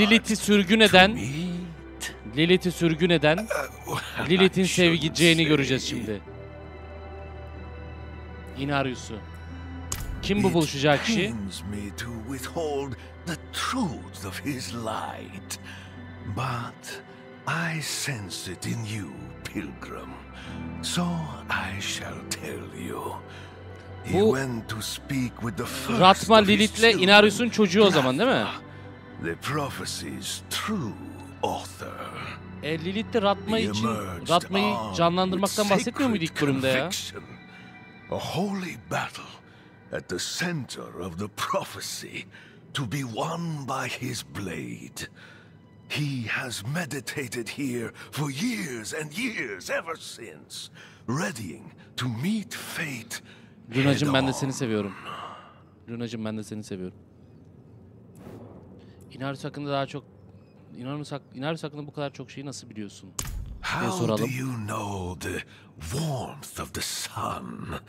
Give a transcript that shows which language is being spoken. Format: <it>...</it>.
<tr>Lilith'i sürgün eden, Lilith'i sürgün eden, Lilith'in sevgiceğini göreceğiz şimdi. Inarius'u. Kim bu buluşacak kişi?</tr> <en>It pains me to withhold the truth of his light. But I sense it in you, pilgrim. So I shall tell you. He went to speak with the first.</en> <tr>Ratma Lilith'le Inarius'un çocuğu o zaman, değil mi?</tr> <en>The prophecy's true author.</en> <tr>Lilith de Ratma için Ratma'yı canlandırmaktan bahsetmiyor muydu ilk bölümde ya?</tr> <en>A holy battle at the center of the prophecy to be won by his blade. He has meditated here for years and years ever since, readying to meet fate.</en> <tr>Luna'cığım ben de seni seviyorum. Luna'cığım ben de seni seviyorum. Inarius hakkında daha çok Inarius hakkında bu kadar çok şeyi nasıl biliyorsun? Diye soralım.</tr> <en>How do you know the warmth of the sun?</en>